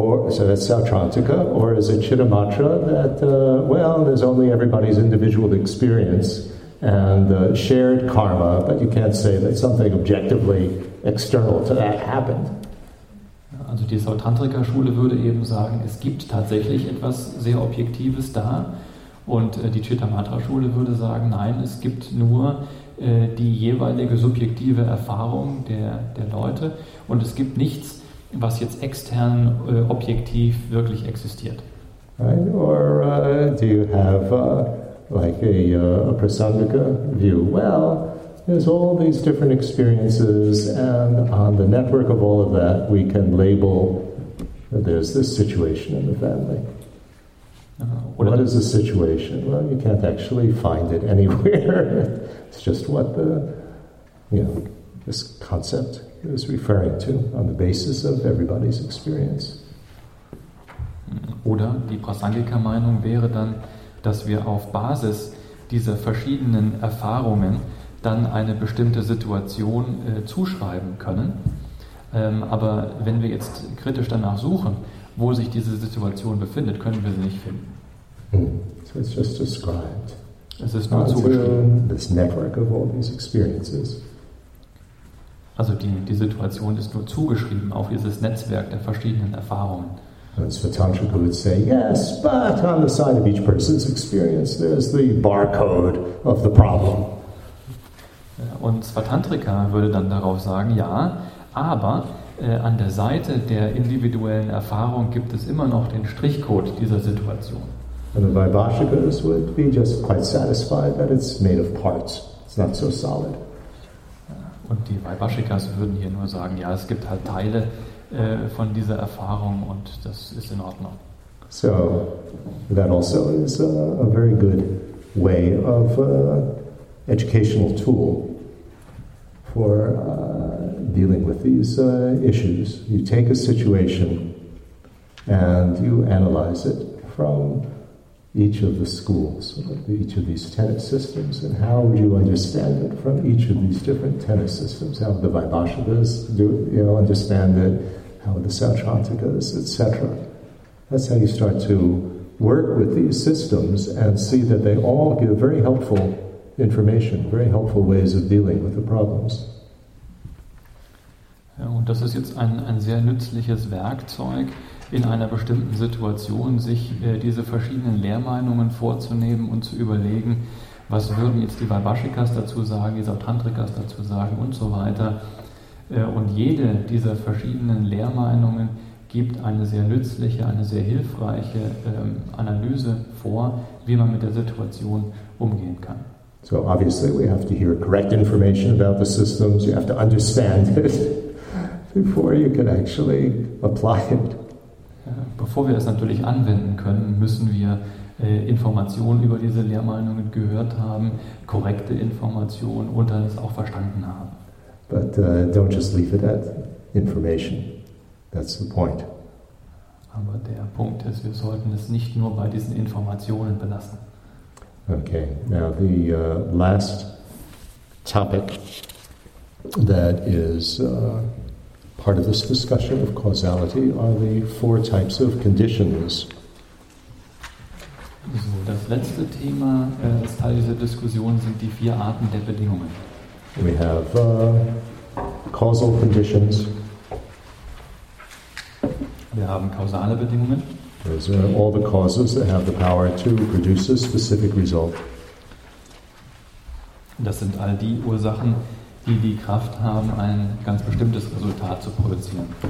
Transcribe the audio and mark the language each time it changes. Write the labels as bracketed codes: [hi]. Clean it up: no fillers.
[en] So that's Satchantika, or is it Chittamatra that, there's only everybody's individual experience and shared karma, but you can't say that something objectively external to that happened. [de] Also die Satchantika-Schule würde eben sagen, es gibt tatsächlich etwas sehr Objektives da, und die Chittamatra-Schule würde sagen, nein, es gibt nur die jeweilige subjektive Erfahrung der Leute und es gibt nichts, was jetzt extern objektiv wirklich existiert. [en] Right? Or do you have a Prasangika view? Well, there's all these different experiences, and on the network of all of that, we can label that there's this situation in the family. What is the situation? Well, you can't actually find it anywhere. It's just what the, you know, this concept is referring to on the basis of everybody's experience. [de] Oder die Prasangika-Meinung wäre dann, dass wir auf Basis dieser verschiedenen Erfahrungen dann eine bestimmte Situation zuschreiben können. Aber wenn wir jetzt kritisch danach suchen, wo sich diese Situation befindet, können wir sie nicht finden. [en] So it's just described. [de] Es ist nur zugeschrieben. [en] This network of all these experiences. [de] Also die Situation ist nur zugeschrieben auf dieses Netzwerk der verschiedenen Erfahrungen. [en] And Svatantrika would say, yes, but on the side of each person's experience there's the barcode of the problem. [de] Und Svatantrika würde dann darauf sagen, ja, aber an der Seite der individuellen Erfahrung gibt es immer noch den Strichcode dieser Situation. [en] And the Vaibhashikas would be just quite satisfied that it's made of parts. It's not so solid. [de] Und die Vaibhashikas würden hier nur sagen, ja, es gibt halt Teile von dieser Erfahrung und das ist in Ordnung. [en] So, that also is a very good way of educational tool for dealing with these issues. You take a situation and you analyze it from each of the schools, each of these tenet systems, and how would you understand it from each of these different tenet systems? How would the Vaibhashikas understand it? How would the Satchantikas, etc.? That's how you start to work with these systems and see that they all give very helpful information, very helpful ways of dealing with the problems. [de] Ja, und das ist jetzt ein sehr nützliches Werkzeug, in einer bestimmten Situation sich diese verschiedenen Lehrmeinungen vorzunehmen und zu überlegen, was würden jetzt die Vaibhashikas dazu sagen, die Satantrikas dazu sagen und so weiter. Und jede dieser verschiedenen Lehrmeinungen gibt eine sehr nützliche, eine sehr hilfreiche Analyse vor, wie man mit der Situation umgehen kann. [en] So obviously we have to hear correct information about the systems. You have to understand it before you can actually apply it. [de] Bevor wir es natürlich anwenden können, müssen wir Informationen über diese Lehrmeinungen gehört haben, korrekte Informationen und dann es auch verstanden haben. [en] But don't just leave it at information. That's the point. [de] Aber der Punkt ist, wir sollten es nicht nur bei diesen Informationen belassen. [en] Okay, now the last topic that is part of this discussion of causality are the four types of conditions. [de] So, das letzte Thema als Teil dieser Diskussion sind die vier Arten der Bedingungen. [en] We have causal conditions. [de] Wir haben kausale Bedingungen. [en] Those are all the causes that have the power to produce a specific result. [de] Das sind all die Ursachen, die die Kraft haben, ein ganz bestimmtes Resultat zu produzieren.